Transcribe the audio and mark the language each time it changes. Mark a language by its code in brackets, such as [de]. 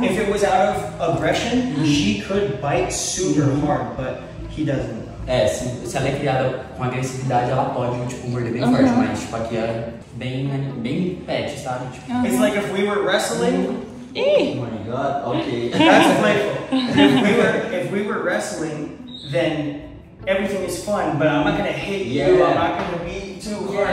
[en] If it was out of aggression, she could bite super hard, but he doesn't. [pt] É, se ela é criada com agressividade, ela pode, tipo, morder bem forte, mas, tipo, aqui é bem pet, sabe? Tipo, [en] It's like if we were wrestling... Mm-hmm. Oh my god, okay. That's playful. If we were wrestling, then everything is fun, but I'm not gonna hit you, I'm not gonna be too hard.